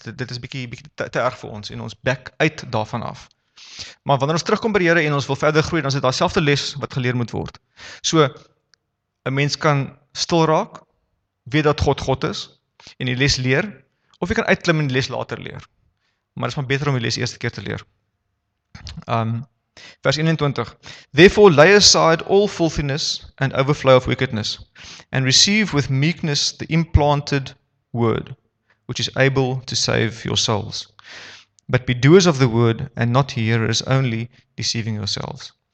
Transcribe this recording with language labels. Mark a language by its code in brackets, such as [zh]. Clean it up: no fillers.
[af] Dit is bietjie te erg vir ons en ons back uit daarvan af. Maar wanneer ons terugkom by die Here en ons wil verder groei, dan is dit dieselfde les wat geleer moet word. So, 'n mens kan stil raak, weet dat God God is, en die les leer, of jy kan uitklim en die les later leer. Maar het is maar beter om die les eerste keer te leer. [en] Vers 21, therefore lay aside all filthiness and overflow of wickedness, and receive with meekness the implanted word, which is able to save your souls. But be doers of the word, and not hearers only, deceiving yourselves.